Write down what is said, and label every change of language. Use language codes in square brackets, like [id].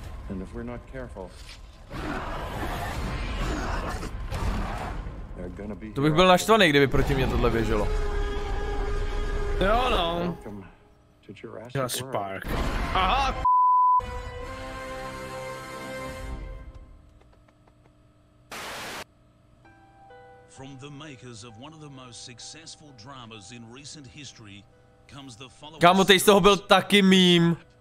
[en] And if we're not careful, they're gonna be. [cs] To bych byl naštvaný, kdyby proti mě tohle běželo. Jo, no. Jurassic Park. Aha, [en] From the makers of one of the most successful dramas in recent history comes the following. [cs] Kámo, ty z toho byl taky mím.